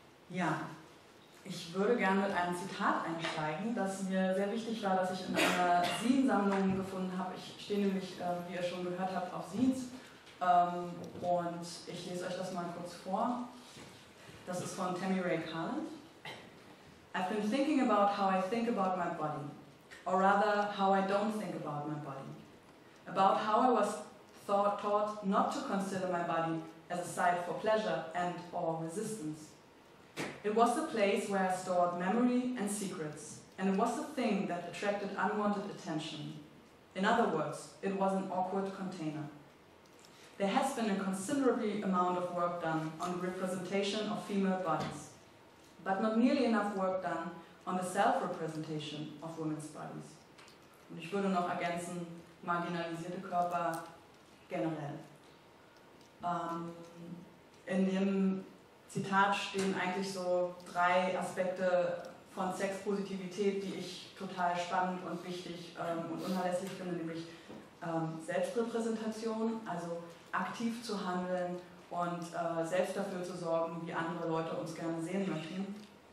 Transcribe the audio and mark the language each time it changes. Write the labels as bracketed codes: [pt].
[de] Ja, ich würde gerne mit einem Zitat einsteigen, das mir sehr wichtig war, dass ich in einer Zine-Sammlung gefunden habe. Ich stehe nämlich, wie ihr schon gehört habt, auf Zines. Und ich lese euch das mal kurz vor. Das ist von Tammy Ray Carland. [en] I've been thinking about how I think about my body. Or rather, how I don't think about my body. About how I was taught not to consider my body as a site for pleasure and or resistance. It was the place where I stored memory and secrets, and it was the thing that attracted unwanted attention. In other words, it was an awkward container. There has been a considerable amount of work done on the representation of female bodies, but not nearly enough work done on the self-representation of women's bodies. [de] Und ich würde noch ergänzen, marginalisierte Körper generell. In dem Zitat stehen eigentlich so drei Aspekte von Sexpositivität, die ich total spannend und wichtig und unerlässlich finde, nämlich Selbstrepräsentation, also aktiv zu handeln und selbst dafür zu sorgen, wie andere Leute uns gerne sehen möchten.